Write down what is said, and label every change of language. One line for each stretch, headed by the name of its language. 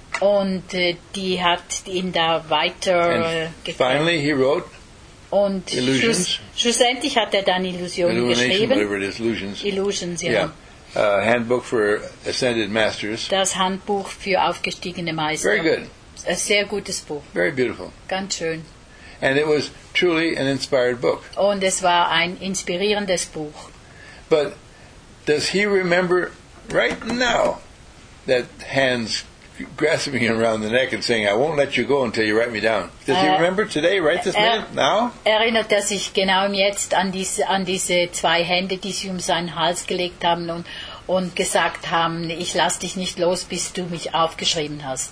German: Und die hat ihn da weiter getan.
English: Finally he wrote
German: und
English: Illusions.
German: Schlussendlich hat dann Illusionen geschrieben.
English: Whatever it is, Illusions.
German: Illusions, ja.
English: Yeah. Handbook for Ascended Masters.
German: Das Handbuch für aufgestiegene Meister.
English: Very good.
German: Ein sehr gutes Buch.
English: Very beautiful.
German: Ganz schön.
English: And it was truly an inspired book.
German: Und es war ein inspirierendes Buch.
English: But does he remember right now that hands grasping him around the neck and saying, I won't let you go until you write me down? Does he remember today, right this minute, now?
German: Erinnert er sich genau jetzt an diese 2 Hände, die sie um seinen Hals gelegt haben und gesagt haben, ich lass dich nicht los, bis du mich aufgeschrieben hast.